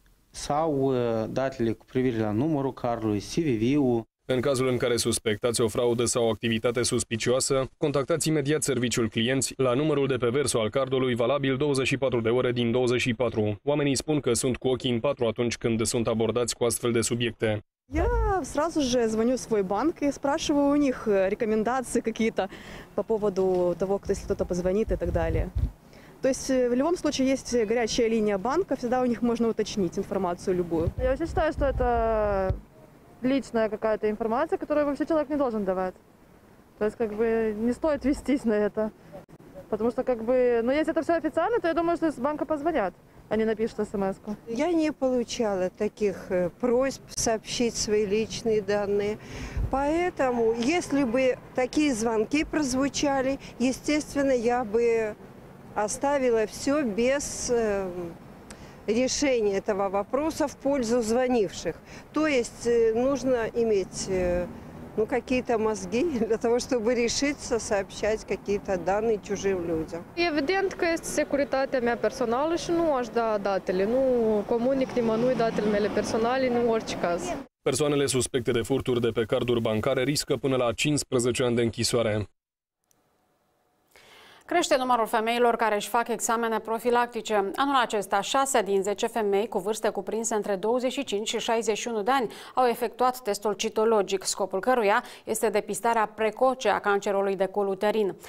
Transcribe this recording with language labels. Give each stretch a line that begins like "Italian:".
Romanian: Sau datele cu privire la numărul cardului, CVV-ul. În cazul în care suspectați o fraudă sau o activitate suspicioasă, contactați imediat serviciul clienți la numărul de pe verso al cardului valabil 24 de ore din 24. Oamenii spun că sunt cu ochii în patru atunci când sunt abordați cu astfel de subiecte.
Russian: Я сразу же звоню в свой банк и спрашиваю у них рекомендации какие-то по поводу того, кто если кто-то позвонит и так далее. То есть в любом случае есть горячая линия банка, всегда у них можно уточнить информацию любую. Я вообще считаю, что это личная какая-то информация, которую вообще человек не должен давать. То есть как бы не стоит вестись на это. Потому что как бы, ну если это все официально, то я думаю, что с банка позвонят. Они напишут смс-ку. Я не получала таких просьб сообщить свои личные данные. Поэтому, если бы такие звонки прозвучали, естественно, я бы оставила все без решения этого вопроса в пользу звонивших. То есть нужно иметь какие-то мозги для того, чтобы решиться сообщать какие-то данные чужим людям.
Romanian: Evident că este securitatea mea personală și nu aș da datele. Nu comunic nimănui datele mele personale, nu orice caz. Persoanele suspecte de furturi de pe carduri bancare riscă până la 15 ani de închisoare. Crește numărul femeilor care își fac examene profilactice. Anul acesta, 6 din 10 femei cu vârste cuprinse între 25 și 61 de ani au efectuat testul citologic, scopul căruia este depistarea precoce a cancerului de col uterin.